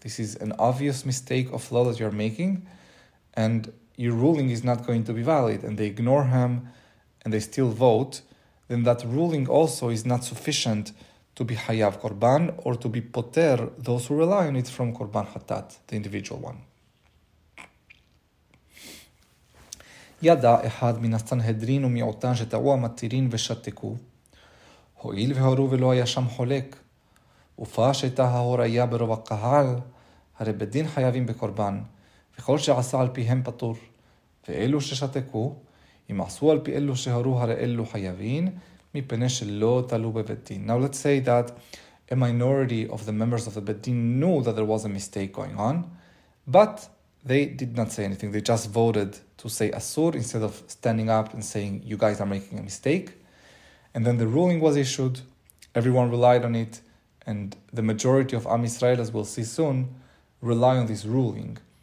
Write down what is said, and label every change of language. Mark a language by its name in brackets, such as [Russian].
[English] This is an obvious mistake of law that you're making, and your ruling is not going to be valid, and they ignore him, and they still vote, then that ruling also is not sufficient to be Hayav Korban, or to be Poter, those who rely on it, from Korban Hatat, the individual one. [Hebrew] ידע אחד מן הסנהדרין ומיעוטן שטעו המתירין ושתקו. הועיל והורו ולא היה שם חולק. ופש הייתה ההוראיה ברוב הקהל, הרי בדין חייבים בקורבן, וכל שעשה על פיהם פטור. ואלו ששתקו, אם עשו על פי אלו שהורו, הרי אלו חייבין, מפני שלא תלו בבית דין. [English] Now let's say that a minority of the members of the Beit Din knew that there was a mistake going on, but they did not say anything. They just voted to say Asur instead of standing up and saying, you guys are making a mistake. And then the ruling was issued. Everyone relied on it. And the majority of Am Yisrael, as we'll see soon, rely on this ruling.